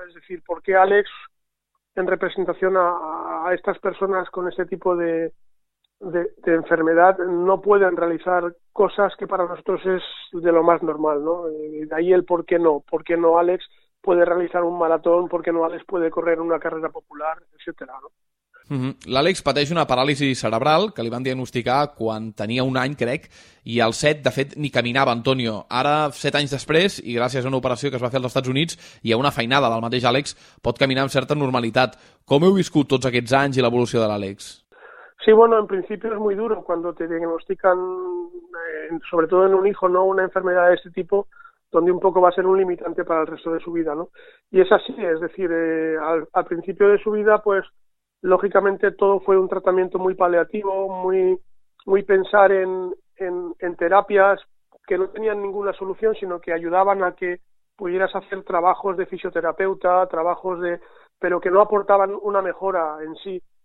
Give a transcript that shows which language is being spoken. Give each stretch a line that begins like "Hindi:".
Spanish: Es decir, ¿por qué Alex, en representación a estas personas con este tipo de enfermedad, no pueden realizar cosas que para nosotros es de lo más normal, ¿no? De ahí el por qué no. ¿Por qué no Alex puede realizar un maratón? ¿Por qué no Alex puede correr una carrera popular? Etcétera, ¿no?
Catalan: L'Àlex pateix una paràlisi cerebral que li van diagnosticar quan tenia un any, crec, i al 7, de fet, ni caminava, Antonio. Ara, 7 anys després, i gràcies a una operació que es va fer als Estats Units i a una feinada del mateix Àlex, pot caminar amb certa normalitat. Com heu viscut tots aquests anys i l'evolució de l'Àlex?
Spanish: Sí, bueno, en principio es muy duro cuando te diagnostican, sobretot en un hijo, ¿no?, una enfermedad de este tipo, donde un poco va a ser un limitante para el resto de su vida, ¿no? Y es así, es decir, al principio de su vida, pues, lógicamente todo fue un tratamiento muy paliativo, muy pensar en terapias que no tenían ninguna solución, sino que ayudaban a que pudieras hacer trabajos de fisioterapeuta, pero que no aportaban una mejora en sí.